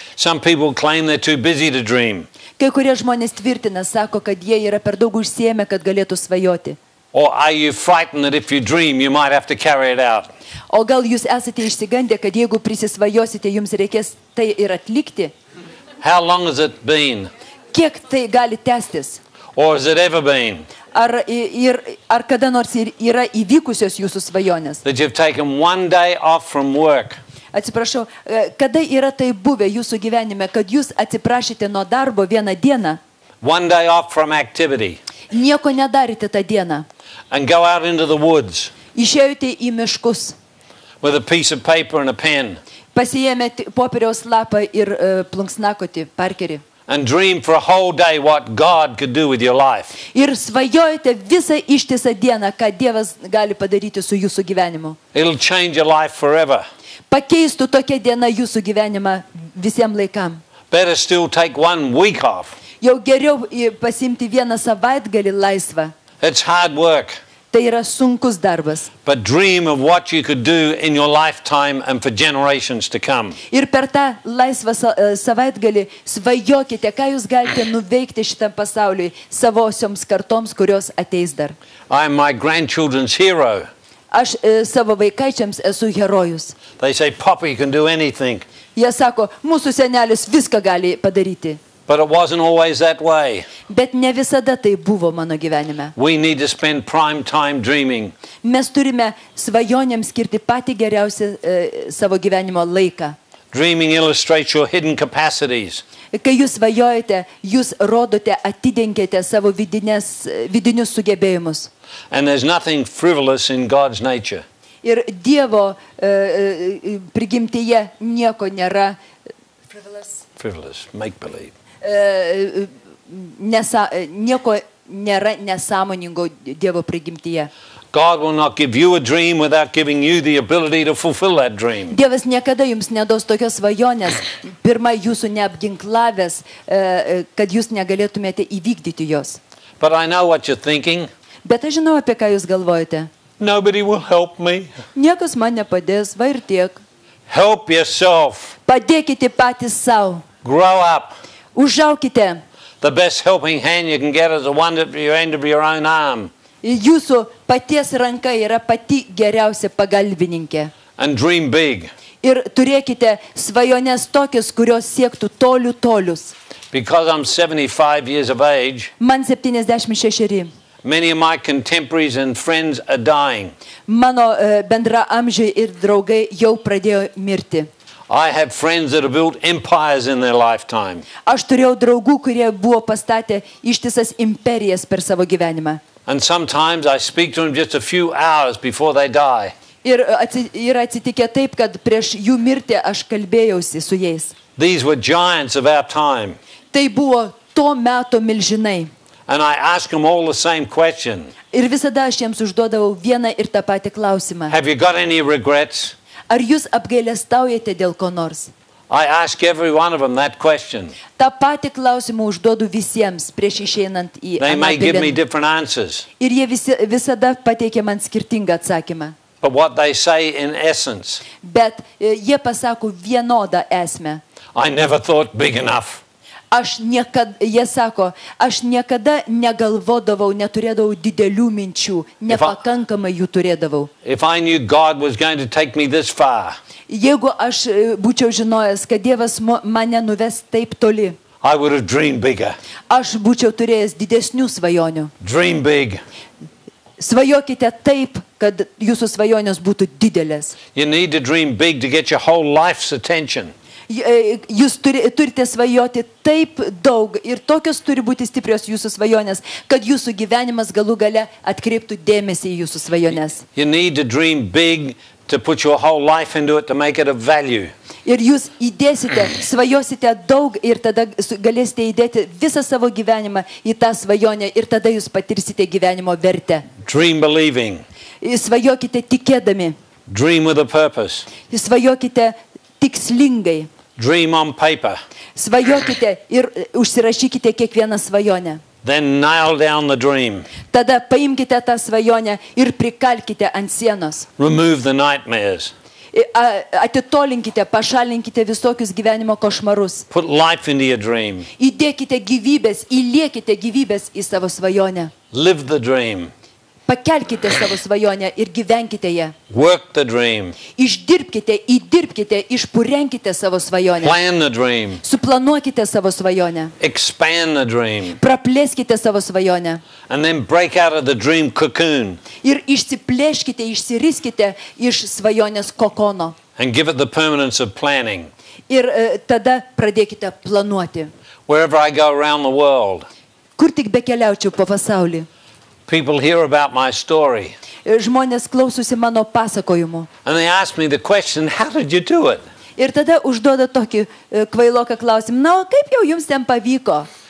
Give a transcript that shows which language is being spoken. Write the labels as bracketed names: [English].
[English] Some people claim they're too busy to dream. [Lithuanian] Kai kurie žmonės tvirtina, sako, kad jie yra per daug užsiėmę, kad galėtų svajoti. [English] Or are you frightened that if you dream, you might have to carry it out? [Lithuanian] O gal jūs esate išsigandę, kad jeigu prisisvajosite, jums reikės tai ir atlikti? [English] How long has it been? [Lithuanian] Kiek tai gali tęstis? [English] Or has it ever been? [Lithuanian] Ar kada nors yra įvykusios jūsų svajonės? [English] That you've taken one day off from work. [Lithuanian] Atsiprašau, kada yra tai buvę jūsų gyvenime, kad jūs atsiprašėte nuo darbo vieną dieną? [English] One day off from activity. [Lithuanian] Nieko nedarėte tą dieną. [English] And go out into the woods. [Lithuanian] Išėjote į miškus. [English] With a piece of paper and a pen. [Lithuanian] Pasiėmėte popieriaus lapą ir plunksnakotį, parkerį. [English] and dream for a whole day what God could do with your life. [Lithuanian] Ir svajojate visą ištisą dieną, ką Dievas gali padaryti su jūsų gyvenimu. [English] It'll change your life forever. [Lithuanian] Pakeistų tokia diena jūsų gyvenimą visiem laikam. [English] Better still take one week off. [Lithuanian] Jau geriau pasimti vieną savaitgalį laisvą. [English] It's hard work. [Lithuanian] Tai yra sunkus darbas. [English] But dream of what you could do in your lifetime and for generations to come. [Lithuanian] Ir per tą laisvą savaitgalį svajokite, ką jūs galite nuveikti šitam pasauliui savosioms kartoms, kurios ateis dar. [English] I am my grandchildren's hero. [Lithuanian] Aš savo vaikaičiams esu herojus. [English] They say, Papa, you can do anything. [Lithuanian] Jie sako, mūsų senelis viską gali padaryti. [English] But it wasn't always that way. [Lithuanian] Bet ne visada tai buvo mano gyvenime. [English] We need to spend prime time dreaming. [Lithuanian] Mes turime svajonėms skirti patį geriausią savo gyvenimo laiką. [English] Dreaming illustrates your hidden capacities. [Lithuanian] Kai jūs svajojate, jūs rodote, atidengiate savo vidinius sugebėjimus. [English] And there's nothing frivolous in God's nature. [Lithuanian] Ir Dievo prigimtyje nieko nėra [English] frivolous, make believe. [Lithuanian] Nieko nėra nesąmoningo Dievo prigimtyje. [English] God will not give you a dream without giving you the ability to fulfill that dream. [Lithuanian] Dievas niekada jums nedos tokios svajonės, pirma jūsų neapginklavęs, kad jūs negalėtumėte įvykdyti jos. [English] But I know what you're thinking. [Lithuanian] Bet aš žinau, apie ką jūs galvojate. [English] Nobody will help me. [Lithuanian] Niekas man nepadės, va ir tiek. [English] Help yourself. [Lithuanian] Padėkite patys sau. [English] Grow up. [Lithuanian] Užaukite. [English] The best helping hand you can get is the one at the end of your own arm. [Lithuanian] Jūsų paties ranka yra pati geriausia pagalbininkė. [English] And dream big. [Lithuanian] Ir turėkite svajones tokias, kurios siektų tolių tolius. [English] Because I'm 75 years of age. [Lithuanian] Man 76. [English] Many of my contemporaries and friends are dying. [Lithuanian] Mano bendraamžiai ir draugai jau pradėjo mirti. [English] I have friends that have built empires in their lifetime. [Lithuanian] Aš turėjau draugų, kurie buvo pastatę ištisas imperijas per savo gyvenimą. [English] And sometimes I speak to them just a few hours before they die. [Lithuanian] Ir atsitikė taip, kad prieš jų mirtį aš kalbėjausi su jais. [English] These were giants of our time. [Lithuanian] Tai buvo to meto milžinai. [English] And I ask them all the same question. [Lithuanian] Ir visada aš jiems užduodavau vieną ir tą patį klausimą. [English] Have you got any regrets? [Lithuanian] Ar jūs apgailestaujate dėl ko nors? [English] I ask every one of them that question. [Lithuanian] Tą patį klausimą užduodu visiems prieš išeinant į [English] They may give me different answers. [Lithuanian] Ir jie visada pateikia man skirtingą atsakymą. [English] But what they say in essence. [Lithuanian] Bet jie pasako vienodą esmę. [English] I never thought big enough. [Lithuanian] Aš niekada negalvodavau, neturėdavau didelių minčių, nepakankamai jų turėdavau. [English] If I knew God was going to take me this far. [Lithuanian] Jeigu aš būčiau žinojęs, kad Dievas mane nuves taip toli. [English] I would have dreamed bigger. [Lithuanian] Aš būčiau turėjęs didesnių svajonių. [English] Dream big. [Lithuanian] Svajokite taip, kad jūsų svajonės būtų didelės. [English] You need to dream big to get your whole life's attention. [Lithuanian] Jūs turite svajoti taip daug ir tokios turi būti stiprios jūsų svajonės, kad jūsų gyvenimas galų gale atkreiptų dėmesį į jūsų svajones. [English] You need to dream big to put your whole life into it to make it a value. [Lithuanian] Ir jūs įdėsite, svajosite daug ir tada galėsite įdėti visą savo gyvenimą į tą svajonę ir tada jūs patirsite gyvenimo vertę. [English] Dream believing. [Lithuanian] Svajokite tikėdami. [English] Dream with a purpose. [Lithuanian] Svajokite tikslingai. [English] Dream on paper. [Lithuanian] Svajokite ir užsirašykite kiekvieną svajonę. [English] Then nail down the dream. [Lithuanian] Tada paimkite tą svajonę ir prikalkite ant sienos. [English] Remove the nightmares. [Lithuanian] Atitolinkite, pašalinkite visokius gyvenimo košmarus. [English] Put life into your dream. [Lithuanian] Įdėkite gyvybės, įliekite gyvybės į savo svajonę. [English] Live the dream. [Lithuanian] Pakelkite savo svajonę ir gyvenkite ją. [English] Work the dream. [Lithuanian] Išdirbkite, įdirbkite, išpurenkite savo svajonę. [English] Plan the dream. [Lithuanian] Suplanuokite savo svajonę. [English] Expand the dream. [Lithuanian] Praplėskite savo svajonę. [English] And then break out of the dream cocoon. [Lithuanian] Ir išsiplėškite, išsiriskite iš svajonės kokono. [English] And give it the permanence of planning. [Lithuanian] Ir tada pradėkite planuoti. [English] Wherever I go around the world. [Lithuanian] Kur tik bekeliaučiau po pasaulį. [English] People hear about my story. [Lithuanian] Žmonės klausosi mano pasakojimo. [English] And they ask me the question, how did you do it? [Lithuanian] Ir tada užduoda tokį kvailoką klausimą. Na, kaip jau jums ten pavyko?